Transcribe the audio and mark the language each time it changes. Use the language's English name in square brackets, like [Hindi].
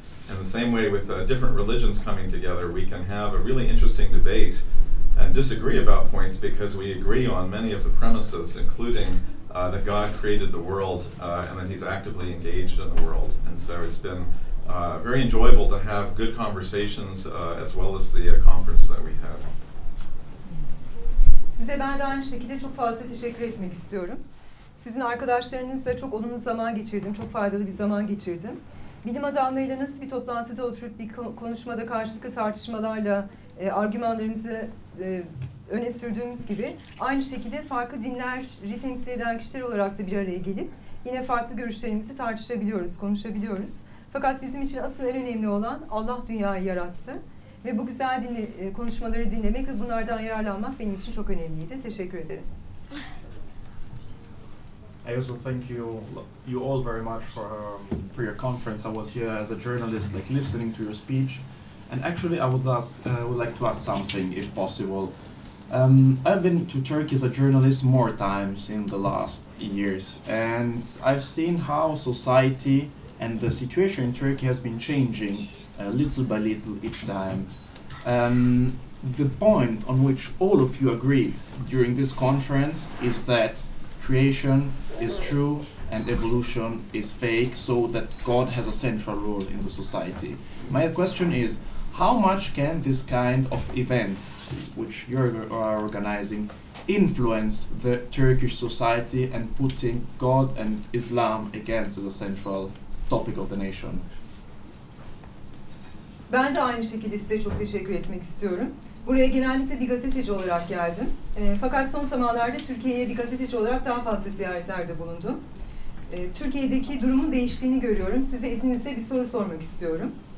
[English] In the same way with different religions coming together, we can have a really interesting debate and disagree about points because we agree on many of the premises, including that God created the world and that he's actively engaged in the world. And so it's been very enjoyable to have good conversations as well as the conference that we had. [Turkish] Size ben de aynı şekilde çok fazla teşekkür etmek istiyorum. Sizin arkadaşlarınızla çok olumlu zaman geçirdim, çok faydalı bir zaman geçirdim. Bilim adamlarıyla nasıl bir toplantıda oturup bir konuşmada karşılıklı tartışmalarla argümanlarımızı öne sürdüğümüz gibi aynı şekilde farklı dinleri temsil eden kişiler olarak da bir araya gelip yine farklı görüşlerimizi tartışabiliyoruz, konuşabiliyoruz. Fakat bizim için asıl en önemli olan Allah dünyayı yarattı. Ve bu güzel konuşmaları dinlemek ve bunlardan yararlanmak benim için çok önemliydi. Teşekkür ederim. [English] I also thank you all very much for your conference. I was here as a journalist, like listening to your speech. And actually, I would like to ask something, if possible. I've been to Turkey as a journalist more times in the last years. And I've seen how society and the situation in Turkey has been changing. Little by little each time. The point on which all of you agreed during this conference is that creation is true and evolution is fake, so that God has a central role in the society. My question is, how much can this kind of event, which you are organizing, influence the Turkish society and putting God and Islam against the central topic of the nation? [Turkish] Ben de aynı şekilde size çok teşekkür etmek istiyorum. Buraya genellikle bir gazeteci olarak geldim. Fakat son zamanlarda Türkiye'ye bir gazeteci olarak daha fazla ziyaretlerde bulundum. Türkiye'deki durumun değiştiğini görüyorum. Size izninizle bir soru sormak istiyorum.